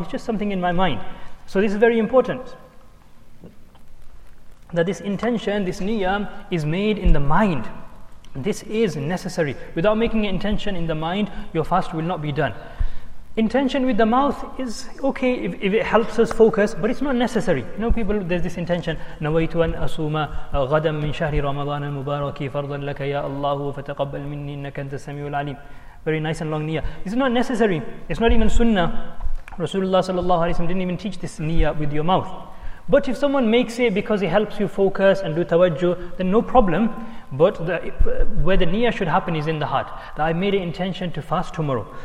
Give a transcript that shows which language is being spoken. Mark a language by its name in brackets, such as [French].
[English] It's just something in my mind. So this is very important. That this intention, this niyyah, is made in the mind. This is necessary. Without making an intention in the mind, your fast will not be done. Intention with the mouth is okay if it helps us focus, but it's not necessary. You know, people, there's this intention, [Arabic] نَوَيْتُ أَنْ أَصُومَ غَدًا مِنْ شَهْرِ رَمَضَانَ الْمُبَارَكِ فَرْضًا لَكَ يَا اللَّهُ فَتَقَبَّلْ مِنِّي إِنَّكَ أَنْتَ السَّمِيعُ الْعَلِيمُ. [English] Very nice and long niyyah. This is not necessary. It's not even sunnah. Rasulullah sallallahu alayhi wa sallam didn't even teach this niyyah with your mouth. But if someone makes it because it helps you focus and do tawajjuh, then no problem. But where the niyyah should happen is in the heart. That I made an intention to fast tomorrow.